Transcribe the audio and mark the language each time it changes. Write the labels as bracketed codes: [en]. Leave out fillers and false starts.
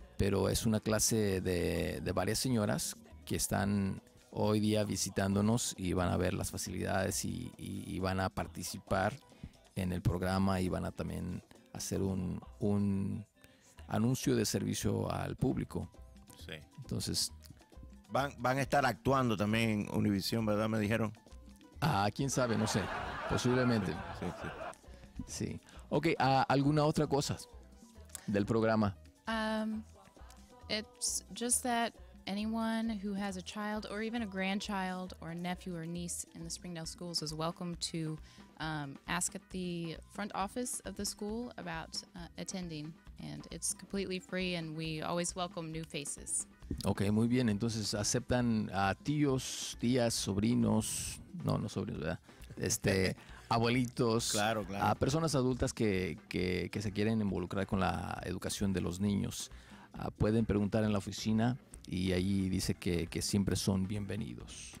[es] Pero es una clase de varias señoras que están hoy día visitándonos y van a ver las facilidades y van a participar en el programa y van a también hacer un anuncio de servicio al público. Sí. Entonces Van a estar actuando también en Univision, ¿verdad? Me dijeron. ¿Quién sabe? No sé. Posiblemente. Sí, sí. Sí. Ok, ¿alguna otra cosa del programa? [en] It's just that anyone who has a child or even a grandchild or a nephew or niece in the Springdale schools is welcome to ask at the front office of the school about attending. And it's completely free and we always welcome new faces. [es] Okay, muy bien. Entonces, ¿aceptan a tíos, tías, sobrinos? No sobrinos, ¿verdad? Abuelitos. Claro, claro. A personas adultas que se quieren involucrar con la educación de los niños. Pueden preguntar en la oficina y ahí dice que siempre son bienvenidos.